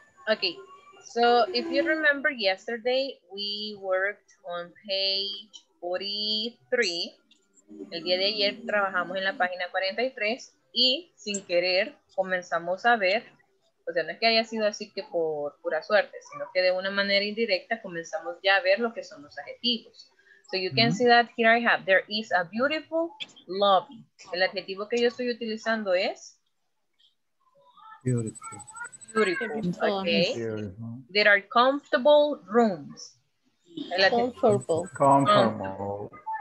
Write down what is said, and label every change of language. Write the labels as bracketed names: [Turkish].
[English] Okay, so if you remember yesterday, we worked on page 43. [Spanish] El día de ayer trabajamos en la página 43 y sin querer comenzamos a ver, o sea, no es que haya sido así que por pura suerte, sino que de una manera indirecta comenzamos ya a ver lo que son los adjetivos. [English] So you can see that here I have, there is a beautiful lobby. [Spanish] El adjetivo que yo estoy utilizando es [English] beautiful. Okay. Beautiful. There are comfortable rooms. Comfortable.